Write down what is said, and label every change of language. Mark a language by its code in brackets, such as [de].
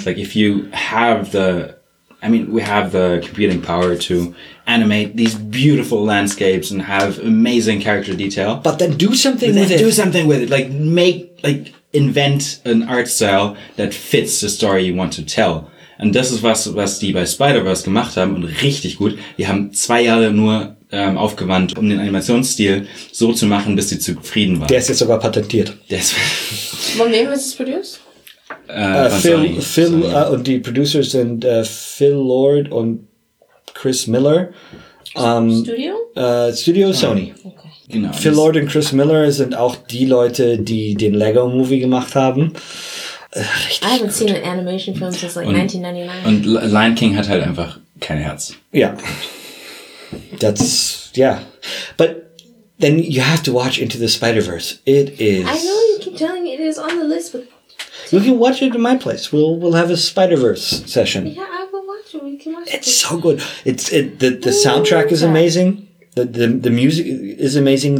[en] Like, if you have we have the computing power to animate these beautiful landscapes and have amazing character detail. But then do something with it. Do something with it. Invent an art style that fits the story you want to tell. And this is [de] was die bei Spider-Verse gemacht haben und richtig gut. Die haben 2 Jahre nur aufgewandt, um den Animationsstil so zu machen, bis sie zufrieden waren. Der ist jetzt sogar patentiert. Von wem ist es produced? Phil, und die Producers sind Phil Lord und Chris Miller. Studio Sony. Okay. Genau. Phil Lord und Chris Miller sind auch die Leute, die den Lego-Movie gemacht haben. [en] Richtig. I haven't seen an animation film since like 1999. [de] Und Lion King hat halt einfach kein Herz. [en] Yeah. That's, yeah. But then you have to watch Into the Spider-Verse. It is... I know you keep telling me it is on the list, but... You can watch it at my place. We'll have a Spider-Verse session. Yeah, I will watch it. We can watch it. It's so good. The soundtrack is amazing. The music is amazing.